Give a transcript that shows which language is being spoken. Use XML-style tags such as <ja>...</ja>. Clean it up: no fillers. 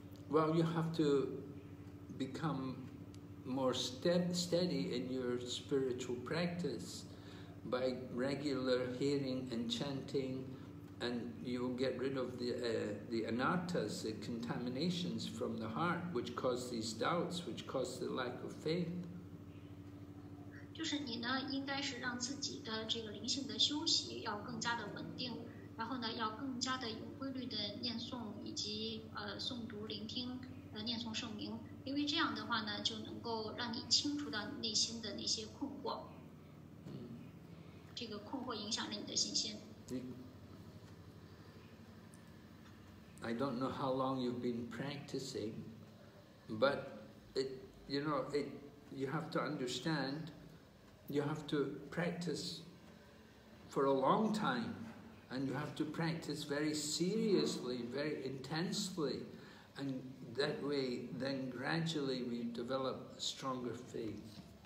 <en>Well, you have to become more steady in your spiritual practice by regular hearing and chanting, and you will get rid of the anattas, the contaminations from the heart, which cause these doubts, which cause the lack of faith.</en> <zh>就是你呢，应该是让自己的这个灵性的修习要更加的稳定。然后呢，要更加的有规律的念诵，以及诵读、聆听、念诵圣名，因为这样的话呢，就能够让你清除到内心的那些困惑。这个困惑影响了你的信心。</zh> <en>I don't know how long you've been practicing, but it, you know, it, you have to understand, you have to practice for a long time, and you have to practice very seriously, very intensely, and that way, then gradually we develop stronger faith.</en>